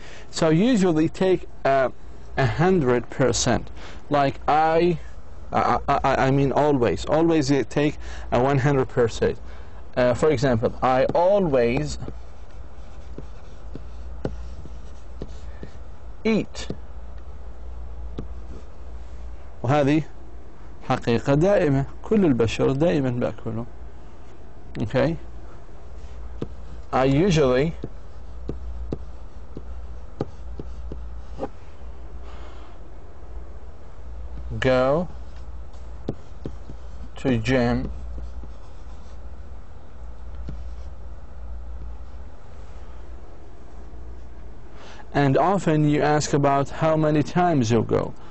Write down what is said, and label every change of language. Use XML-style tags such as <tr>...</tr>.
<en>So usually take 100%. Like I mean always you take a 100%. For example, I always eat.</en> <ar>وهذه حقيقة دائمة كل البشر دائما بأكله.</ar> <en>Okay. I usually go to gym and often you ask about how many times you go.</en>